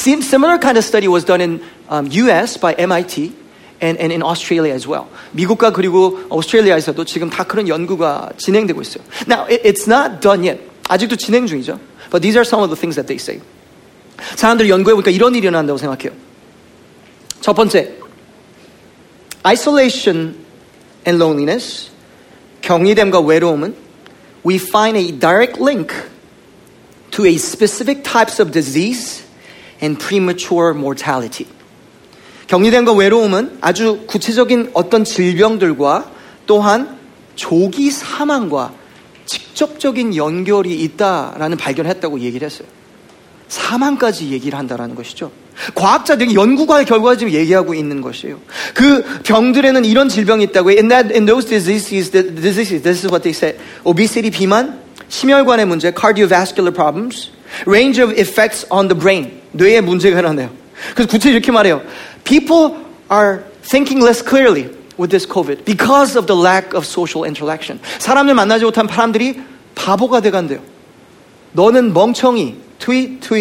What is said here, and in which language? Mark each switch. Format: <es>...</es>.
<en>And similar kind of study was done in US by MIT and in Australia as well.</en> <ko>미국과 그리고 오스트레일리아에서도 지금 다 그런 연구가 진행되고 있어요.</ko> <en>Now, it's not done yet.</en> <ko>아직도 진행 중이죠.</ko> <en>But these are some of the things that they say.</en> <ko>사람들이 연구해보니까 이런 일이 일어난다고 생각해요. 첫 번째.</ko> <en>Isolation and loneliness,</en> <ko>격리됨과 외로움은</ko> <en>we find a direct link to a specific types of disease and premature mortality.</en> <ko>격리됨과 외로움은 아주 구체적인 어떤 질병들과 또한 조기 사망과 직접적인 연결이 있다라는 발견을 했다고 얘기를 했어요. 사망까지 얘기를 한다라는 것이죠. 과학자들이 연구가의 결과를 지금 얘기하고 있는 것이에요. 그 병들에는 이런 질병이 있다고요.</ko> <en>In those diseases, this is what they say. Obesity, 비만,</en> <ko>심혈관의 문제,</ko> <en>cardiovascular problems, range of effects on the brain,</en> <ko>뇌에 문제가 일어나요. 그래서 구체적으로 이렇게 말해요.</ko> <en>People are thinking less clearly with this COVID because of the lack of social interaction.</en> <ko>사람을 만나지 못한 사람들이 바보가 돼간대요. 너는 멍청이. 트윗.</ko>